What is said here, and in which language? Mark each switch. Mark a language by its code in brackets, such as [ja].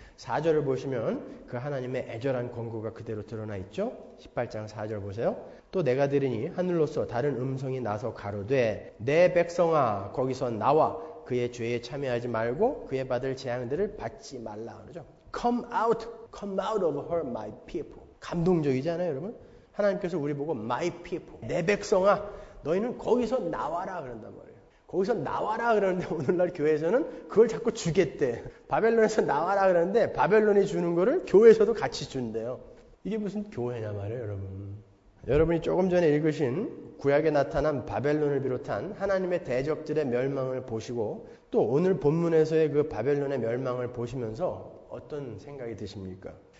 [ko] 4절을 보시면 그 하나님의 애절한 권고가 그대로 드러나 있죠. 18장 4절 보세요. 또 내가 들으니 하늘로서 다른 음성이 나서 가로되 내 백성아 거기서 나와 그의 죄에 참여하지 말고 그의 받을 재앙들을 받지 말라 그러죠. [en] Come out of her my people. [ko] 감동적이지 않아요 여러분? 하나님께서 우리 보고 [en] my people [ko] 내 백성아 너희는 거기서 나와라 그런단 말이에요. 거기서 나와라 그러는데 오늘날 교회에서는 그걸 자꾸 주겠대. 바벨론에서 나와라 그러는데 바벨론이 주는 거를 교회에서도 같이 준대요. 이게 무슨 교회냐 말이에요 여러분. 여러분이 조금 전에 읽으신 구약에 나타난 바벨론을 비롯한 하나님의 대적들의 멸망을 보시고 또 오늘 본문에서의 그 바벨론의 멸망을 보시면서 어떤 생각이 드십니까?